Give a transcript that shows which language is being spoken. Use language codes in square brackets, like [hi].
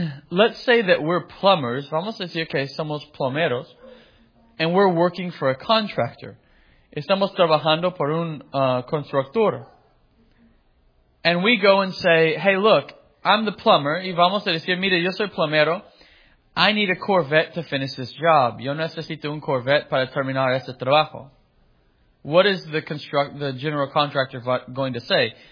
[en] Let's say that we're plumbers. [es] Vamos a decir que somos plomeros. [en] And we're working for a contractor. [es] Estamos trabajando por un constructor. [en] And we go and say, hey, look, I'm the plumber. [es] Y vamos a decir, mire, yo soy plomero. [en] I need a Corvette to finish this job. [es] Yo necesito un Corvette para terminar este trabajo. [en] What is the general contractor going to say?